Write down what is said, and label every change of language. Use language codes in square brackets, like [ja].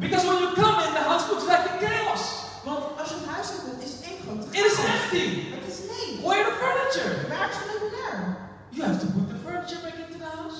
[en] Because when you come in, the house looks like a chaos. [nl] Want als je het huis hebt, is het één grote chaos. [en] It is empty. [nl] Het is leeg. [en] Where are the furniture? [nl] Waar is het meubilair [en] there? You have to put the furniture back into the house.